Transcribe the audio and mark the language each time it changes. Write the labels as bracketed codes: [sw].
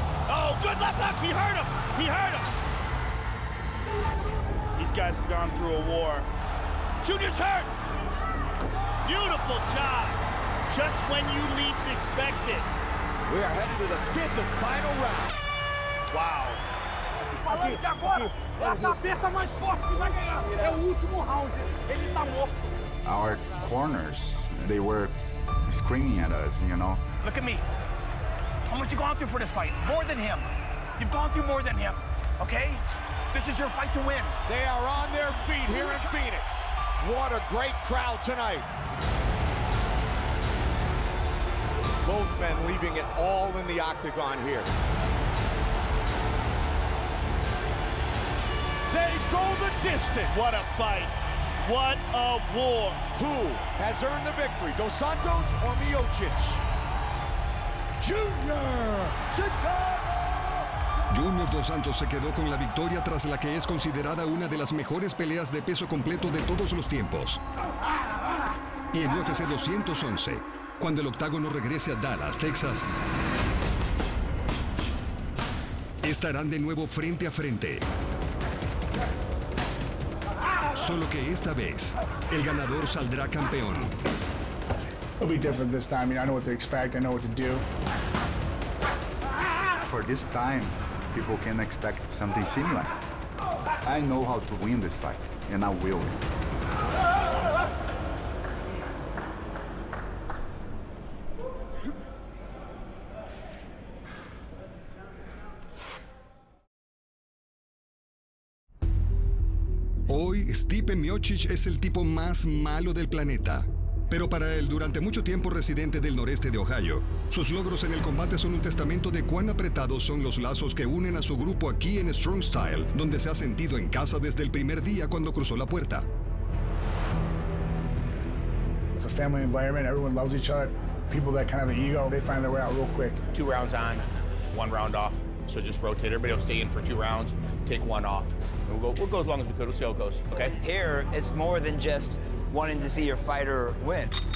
[en] Oh, good left. He hurt him. He hurt him. These guys have gone through a war. Junior's hurt. Beautiful job. Just when you least expect it. We are headed to the fifth and final round. Wow. [pt] Falando de agora, a cabeça mais forte que vai ganhar. É o último round. Ele tá morto. [en] Our corners, they were screaming at us, you know. Look at me. How much have you gone through for this fight? More than him. You've gone through more than him, okay? This is your fight to win. They are on their feet here in Phoenix. What a great crowd tonight. Both men leaving it all in the octagon here. They go the distance. What a fight. What a war. Who has earned the victory, Dos Santos or Miocic? [es] Junior Dos Santos se quedó con la victoria tras la que es considerada una de las mejores peleas de peso completo de todos los tiempos. Y en UFC 211, cuando el octágono regrese a Dallas, Texas, estarán de nuevo frente a frente. Solo que esta vez, el ganador saldrá campeón. [en] It'll be different this time. You know, I know what to expect. I know what to do. For this time, people can expect something similar. I know how to win this fight, and I will. [es] Hoy, Stipe Miocic es el tipo más malo del planeta. Pero para él, durante mucho tiempo residente del noreste de Ohio, sus logros en el combate son un testamento de cuán apretados son los lazos que unen a su grupo aquí en Strong Style, donde se ha sentido en casa desde el primer día cuando cruzó la puerta. [en] It's a family environment, everyone loves each other. People that kind of have an ego, they find their way out real quick. Two rounds on, one round off. So just rotate, everybody will stay in for two rounds, take one off. We'll go as long as we could, we'll see how it goes, okay? Here, it's more than just wanting to see your fighter win.